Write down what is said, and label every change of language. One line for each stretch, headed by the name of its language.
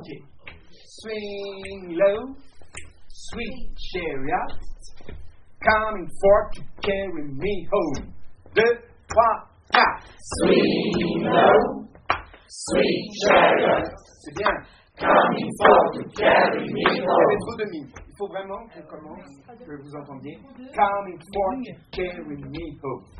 English: Okay. Swing low, sweet chariot. Coming for to carry me home. 2, 3, 4. Swing low, sweet chariot.
French: C'est bien.
English: Coming for to carry me home.
French: Il y a trop de mine. Il faut vraiment que je commence, que vous entendiez.
English: Coming for to carry me home.